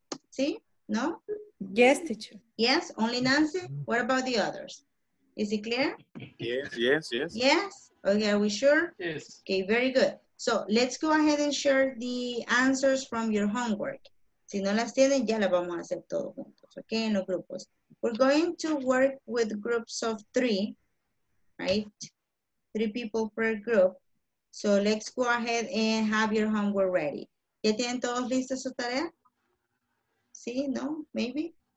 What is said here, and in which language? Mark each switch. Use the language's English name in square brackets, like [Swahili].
[Spanish] ¿Sí? ¿No? [English] Yes, teacher. Yes, only Nancy? What about the others? Is it clear? Yes. Okay, are we sure? Yes. Okay, very good. So let's go ahead and share the answers from your homework. [Spanish] Si no las tienen, ya las vamos a hacer todos juntos, okay, en los grupos. [English] We're going to work with groups of 3, right? 3 people per group. So let's go ahead and have your homework ready. [Spanish] ¿Ya tienen todos listas su tarea? Sí, no, [English] maybe?